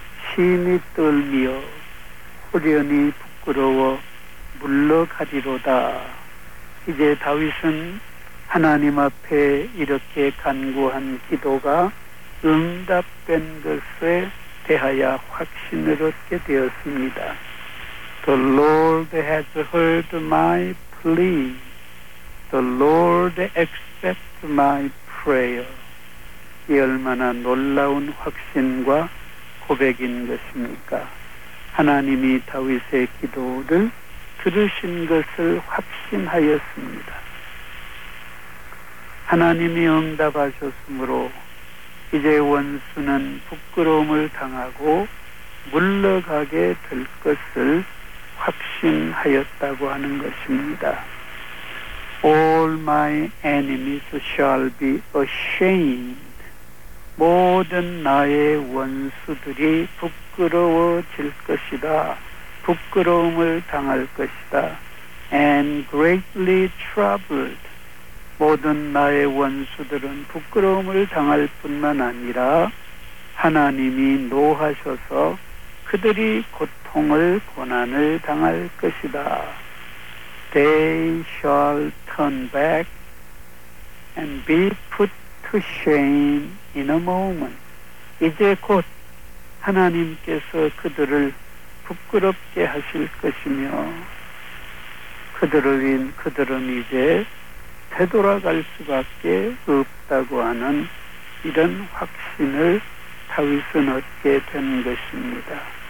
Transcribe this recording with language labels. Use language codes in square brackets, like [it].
[ko] 심히 떨며 후련히 부끄러워 물러가지로다. 이제 다윗은 하나님 앞에 이렇게 간구한 기도가 응답된 것에 대하여 확신을 얻게 되었습니다. [en] The Lord has heard my plea. The Lord accepts my prayer. [ko] 이 얼마나 놀라운 확신과 고백인 것입니까? 하나님이 다윗의 기도를 들으신 것을 확신하였습니다. 하나님이 응답하셨으므로 이제 원수는 부끄러움을 당하고 물러가게 될 것을 확신하였다고 하는 것입니다. [en] All my enemies shall be ashamed. [ko] 모든 나의 원수들이 부끄러워질 것이다. 부끄러움을 당할 것이다. [en] And greatly troubled. [ko] 모든 나의 원수들은 부끄러움을 당할 뿐만 아니라 하나님이 노하셔서 그들이 고통을 고난을 당할 것이다. [en] They shall turn back and be put to shame in a moment. [ko] 이제 곧 하나님께서 그들을 부끄럽게 하실 것이며 그들은 이제 되돌아갈 수밖에 없다고 하는 이런 확신을 다윗은 얻게 된 것입니다.